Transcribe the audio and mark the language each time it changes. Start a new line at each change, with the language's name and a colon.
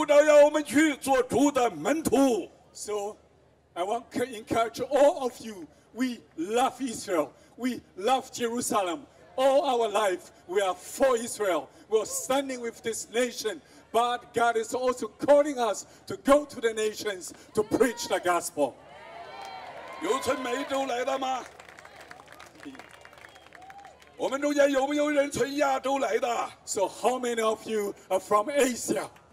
Chinese: 我们不但是要来为耶路撒冷来守神的节期，来守祝棚节，来为耶路撒冷求平安。神给我们的呼召，要我们去做主的门徒。
English: So, I want to encourage all of you. We love Israel. We love Jerusalem. All our life, we are for Israel. We are standing with this nation. But God is also calling us to go to the nations to preach the gospel.
Chinese: 有从美洲来的吗? 我们中间有没有人从亚洲来的?
English: So how many of you are from Asia?